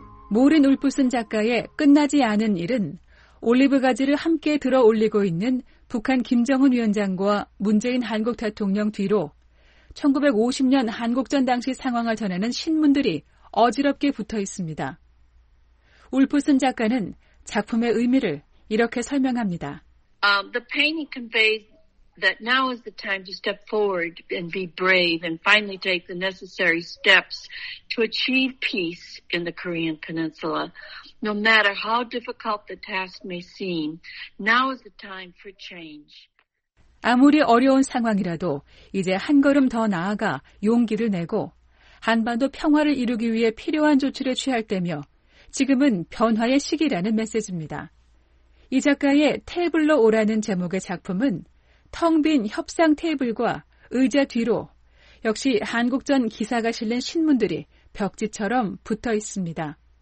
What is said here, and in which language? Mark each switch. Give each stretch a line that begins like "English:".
Korean: 모린 울프슨 작가의 끝나지 않은 일은 올리브 가지를 함께 들어 올리고 있는 북한 김정은 위원장과 문재인 한국 대통령 뒤로 1950년 한국전 당시 상황을 전하는 신문들이 어지럽게 붙어 있습니다. 울프슨 작가는 작품의 의미를 이렇게 설명합니다.
English: The painting conveys that now is the time to step forward and be brave and finally take the necessary steps to achieve peace in the Korean Peninsula. No matter how difficult the task may seem, now is the time for change.
Korean: 아무리 어려운 상황이라도 이제 한 걸음 더 나아가 용기를 내고 한반도 평화를 이루기 위해 필요한 조치를 취할 때며 지금은 변화의 시기라는 메시지입니다. 이 작가의 테이블로 오라는 제목의 작품은 텅 빈 협상 테이블과 의자 뒤로 역시 한국전 기사가 실린 신문들이 벽지처럼 붙어 있습니다.